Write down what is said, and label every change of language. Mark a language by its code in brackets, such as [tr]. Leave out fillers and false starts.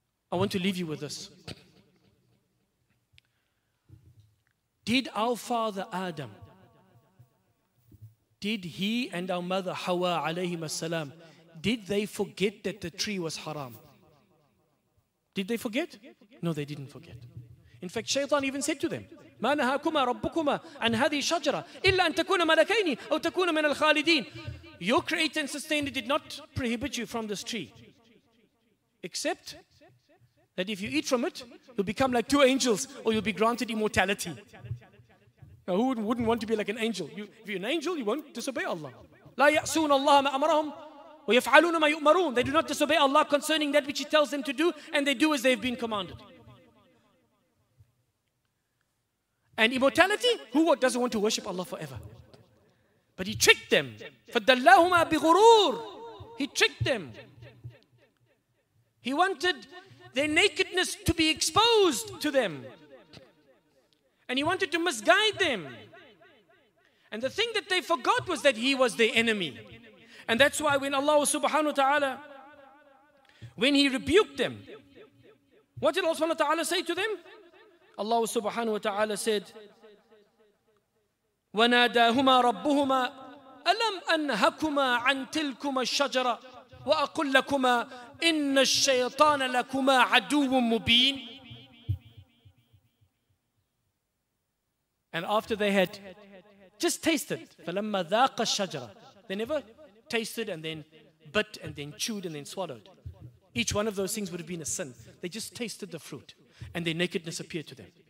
[en] I want to leave you with this. Did our father Adam, did he and our mother Hawa alayhim as-salam, did they forget that the tree was haram? Did they forget? No, they didn't forget. [ar] In fact, Shaytan even said to them, ما نهاكما ربكما عن هذه الشجرة إلا أن تكون ملكين أو تكون من الخالدين. [en] Your creator and sustainer did not prohibit you from this tree, except that if you eat from it, you'll become like two angels, or you'll be granted immortality. Now, who wouldn't want to be like an angel? If you're an angel, you won't disobey Allah. [ar] لا يأسون الله ما أمرهم ويفعلون ما يؤمرون. [en] They do not disobey Allah concerning that which He tells them to do, and they do as they've been commanded. And immortality? Who doesn't want to worship Allah forever? But He tricked them. فدلاهما بغرور. He tricked them. He wanted their nakedness to be exposed to them. And he wanted to misguide them. And the thing that they forgot was that he was their enemy. And that's why when Allah subhanahu wa ta'ala when he rebuked them, what did Allah subhanahu wa ta'ala say to them? [ar] Allah subhanahu wa ta'ala said, وَنَادَاهُمَا رَبُّهُمَا أَلَمْ أَنْهَكُمَا عَنْ تِلْكُمَ الشَّجَرَ وَأَقُلْ لَكُمَا إِنَّ الشَّيْطَانَ لَكُمَا عَدُوٌ مُبِينٌ. [en] And after they had just tasted, فَلَمَّا ذَاقَ الشَّجَرَةِ, they never tasted and then bit and then chewed and then swallowed. Each one of those things would have been a sin. They just tasted the fruit and their nakedness appeared to them.